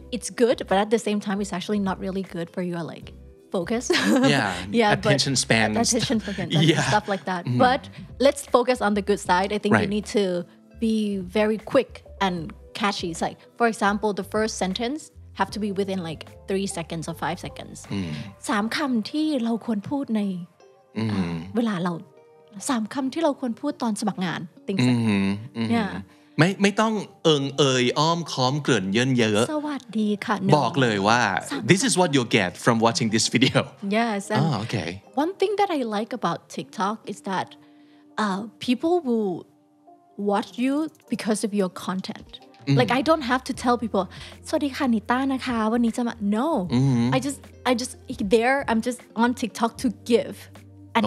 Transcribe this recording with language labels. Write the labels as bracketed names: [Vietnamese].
[English] It's good, but at the same time, it's actually not really good for your like focus. Yeah, yeah. Attention span. Attention span. Yeah. Stuff like that. But let's focus on the good side. I think you need to be very quick and catchy. It's like, for example, the first sentence have to be within like 3 seconds or 5 seconds. [Thai] สามคำที่เราควรพูดในเวลาเราสามคำที่เราควรพูดตอนสมัครงานติ๊ง ๆไม่ต้องเอิงเอยอ้อมค้อมเกริ่นเยอะ สวัสดีค่ะ บอกเลยว่า [English] this is what you'll get from watching this video yes and okay one thing that I like about TikTok is that people will watch you because of your content like I don't have to tell people [Thai] สวัสดีค่ะนิต้านะคะวันนี้จะมา [English] no I just there I'm just on TikTok to giveAnd